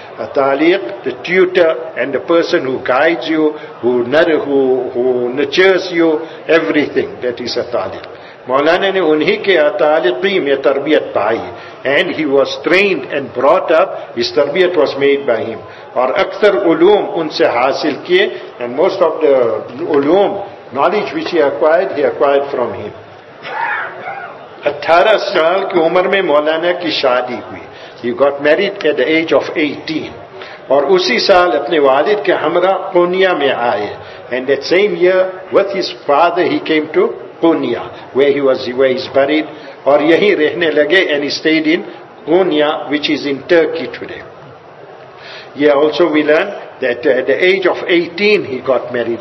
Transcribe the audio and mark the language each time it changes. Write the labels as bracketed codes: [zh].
[en] اطالق, the tutor and the person who guides you, who nurtures you, everything, that is اطالق. [ur] مولانا نے انہی کے اطالقی میں تربیت پائی. [en] And he was trained and brought up, his تربیت was made by him. [ur] اور اکثر علوم ان سے حاصل کیے. [en] And most of the علوم, knowledge which he acquired from him. [ur] 18 سال کی عمر میں مولانا کی شادی ہوئی. [en] He got married at the age of 18. [ur] اور اسی سال اپنے والد کے ہمراہ قونیا میں آئے. [en] And that same year with his father he came to Konya, where he's buried, [ur] aur yahi rehne lage, [en] and he stayed in Konya, which is in Turkey today. Yeah, also we learn that at the age of 18 he got married.